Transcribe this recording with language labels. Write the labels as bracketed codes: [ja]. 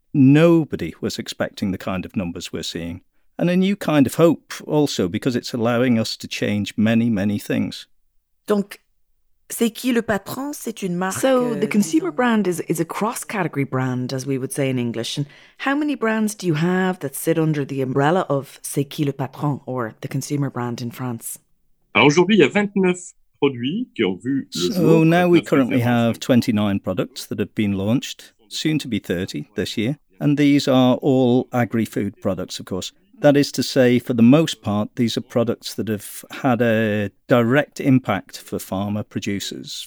[en] Nobody was expecting the kind of numbers we're seeing. And a new kind of hope also, because it's allowing us to change many, many things. [fr] Donc, c'est qui le patron? C'est une marque. [en] So the consumer brand is a cross-category brand, as we would say in English. And how many brands do you have that sit under the umbrella of c'est qui le patron, or the consumer brand in France? [fr] Aujourd'hui, il y a 29 produits qui ont vu le jour. [en] So now we currently have 29 products that have been launched, soon to be 30 this year. And these are all agri-food products, of course. That is to say, for the most part, these are products that have had a direct impact for farmer producers.